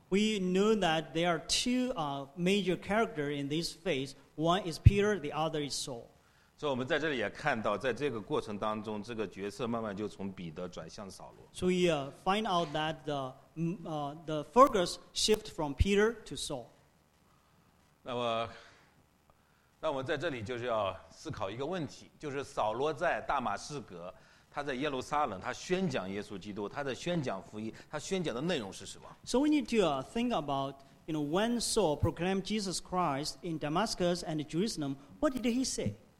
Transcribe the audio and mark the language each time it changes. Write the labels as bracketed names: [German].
[English] We know that there are two major characters in this phase. One is Peter, the other is Saul. [Chinese] 所以我们在这里也看到，在这个过程当中，这个角色慢慢就从彼得转向扫罗。 [English] So we find out that the focus shift from Peter to Saul. [Chinese] 那我们在这里就是要思考一个问题，就是扫罗在大马士革。他在耶路撒冷，他宣讲耶稣基督，他在宣讲福音，他宣讲的内容是什么？ [English] So we need to think about, you know, when Saul proclaimed Jesus Christ in Damascus and Jerusalem, what did he say?